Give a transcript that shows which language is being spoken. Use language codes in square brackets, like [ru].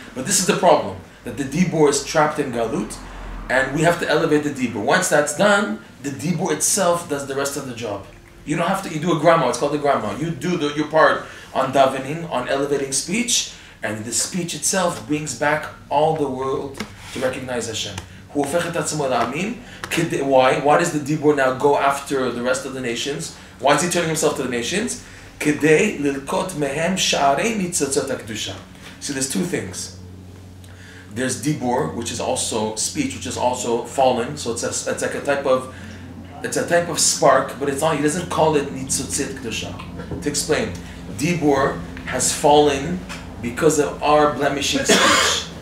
[en] But this is the problem, that the dibur is trapped in galut. And we have to elevate the dibur. Once that's done, the dibur itself does the rest of the job. You don't have to, you do a grammar, it's called a grammar. You do your part on davening, on elevating speech, and the speech itself brings back all the world to recognize Hashem. who [he] הופך את עצמו לעמים, [en] why? Why does the Dibur now go after the rest of the nations? Why is he turning himself to the nations? [he] כדי ללקוט מהם שערי ניצוצות הקדושה. [en] So there's two things. There's Dibur, which is also speech, which is also fallen. So it's like a type of spark, but it's not, he doesn't call it Nitzotzit Kedusha. To explain, Dibur has fallen because of our blemishing speech.